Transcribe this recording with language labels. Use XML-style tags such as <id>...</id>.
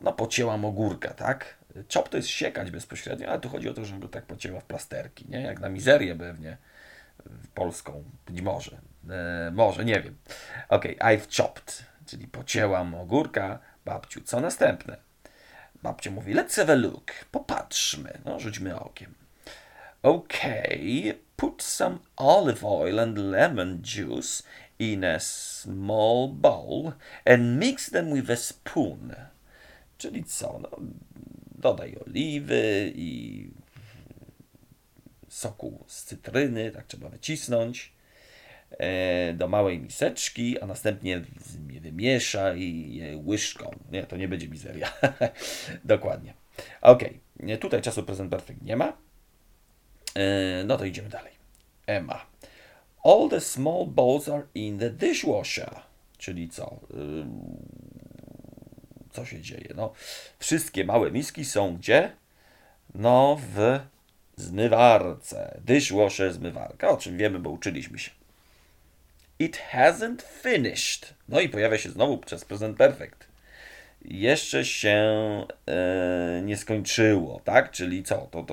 <pl>No, pocięłam ogórka, tak? Chop to jest siekać bezpośrednio, ale tu chodzi o to, żeby go tak pocięła w plasterki, nie? Jak na mizerię pewnie polską, być może. Może, nie wiem. Okej, okay,</pl> <en>I've chopped.</en> <pl>Czyli pocięłam ogórka, babciu, co następne? Babcia mówi,</pl> <en>let's have a look,</en> <pl>popatrzmy, no, rzućmy okiem.</pl> <en>Okay, put some olive oil and lemon juice in a small bowl and mix them with a spoon.</en> <pl>Czyli co? No, dodaj oliwy i soku z cytryny, tak trzeba wycisnąć. Do małej miseczki, a następnie wymieszaj je łyżką. Nie, to nie będzie mizeria. Dokładnie. Okej, okay. Tutaj czasu present perfect nie ma. No to idziemy dalej. Emma.</pl> <en>All the small bowls are in the dishwasher.</en> <pl>Czyli co? Co się dzieje? No, wszystkie małe miski są gdzie? No, w zmywarce. Dishwasher, zmywarka. O czym wiemy, bo uczyliśmy się.</pl> <en>It hasn't finished.</en> <pl>No i pojawia się znowu czas present perfect. Jeszcze się nie skończyło, tak? Czyli co?</pl>